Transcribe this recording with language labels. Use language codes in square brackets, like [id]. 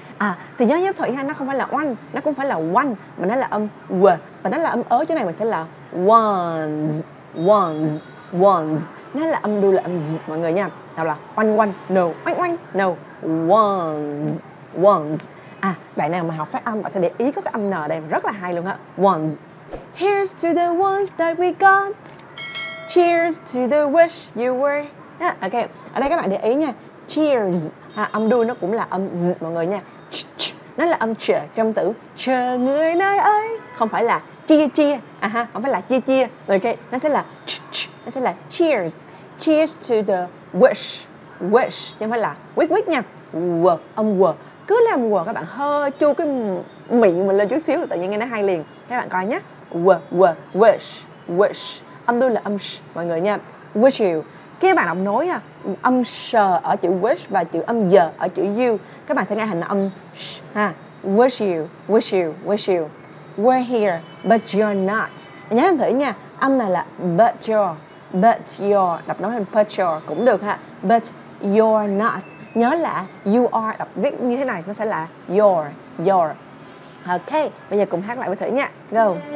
[vi] À thì nhớ giùm Thủy ha, nó không phải là one, nó cũng phải là one, mà nó là âm w. Và nó là âm ớ, chỗ này mình sẽ là ones, ones, ones. Nó là âm đu là âm z mọi người nha. Đó là one one no, one one no, ones, ones. À bạn nào mà học phát âm bạn sẽ để ý có cái âm n đây rất là hay luôn á. [en] Ones. Here's to the ones that we got, cheers to the wish you were. [vi] Ok, ở đây các bạn để ý nha, cheers ha, âm đu nó cũng là âm z mọi người nha. Ch-ch. Nó là âm ch trong từ chờ người nơi ấy, không phải là chia chia. À ha, không phải là chia chia. Ok, nó sẽ là ch ch, nó sẽ là cheers. [en] Cheers to the wish, wish, [vi] chứ không phải là [en] wish wish nha. [vi] W, âm w. Cứ làm w các bạn hơi chu cái miệng mình lên chút xíu tự nhiên nghe nó hay liền. Các bạn coi nhé. W, w, wish, wish. Âm đu là âm sh mọi người nha. [en] Wish you. [vi] Khi các bạn đọc nối ha, âm sh ở chữ wish và chữ âm y ở chữ you, các bạn sẽ nghe hình âm sh ha. [en] Wish you, wish you, wish you. We're here, but you're not. [vi] Nhớ em thử nha, âm này là [en] but you're, [vi] đọc nói thành but you're cũng được ha. But you're not, nhớ là [en] you are, [vi] đọc viết như thế này, nó sẽ là your, your. Ok, bây giờ cùng hát lại với Thủy nha, go.